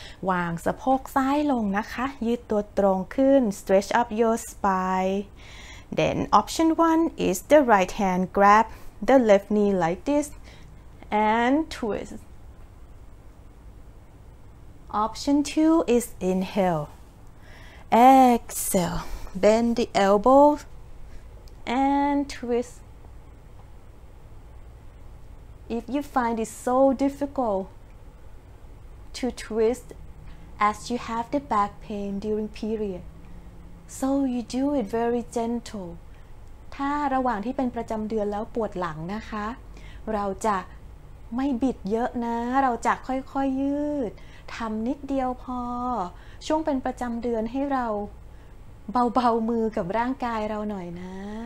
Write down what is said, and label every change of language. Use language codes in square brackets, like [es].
[th] วางสะโพกซ้ายลงนะคะยืดตัวตรงขึ้น [en] stretch up your spine then option one is the right hand grab the left knee like this and twist option two is inhaleExhale, bend the elbows and twist. If you find it so difficult to twist as you have the back pain during period, so you do it very gentle. [th] ถ้าระหว่างที่เป็นประจำเดือนแล้วปวดหลังนะคะเราจะไม่บิดเยอะนะเราจะค่อยๆ ยืดทำนิดเดียวพอช่วงเป็นประจำเดือนให้เราเบาๆมือกับร่างกายเราหน่อยนะ